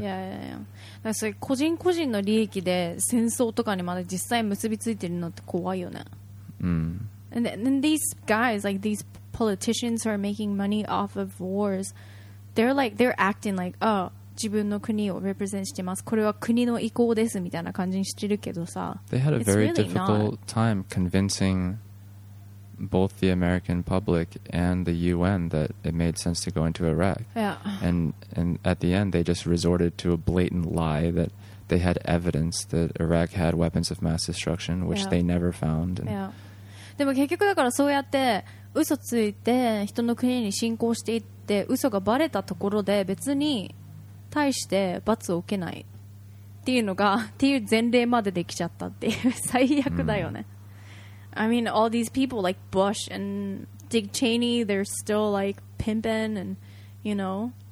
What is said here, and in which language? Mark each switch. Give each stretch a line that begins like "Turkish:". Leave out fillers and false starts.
English: And these guys, like these politicians who are making money off of wars, they're like, they're acting like, oh,
Japanese: 自分の国を
English: represent
Japanese: してます。これは国の意向ですみたいな感じにしてるけどさ。
English: They had a very difficult time convincing both the American public and the UN that it made sense to go into Iraq. Yeah. And at the end, they just resorted to a blatant lie that they had evidence that Iraq had weapons of mass destruction, which they never found. And
Japanese: でも結局だからそうやって嘘ついて人の国に侵攻していって嘘がバレたところで別に対して罰を受けないっていうのがっていう前例までできちゃったっていう最悪だよね。
English: I mean, all these people like Bush and Dick Cheney, they're still like pimping and, you know.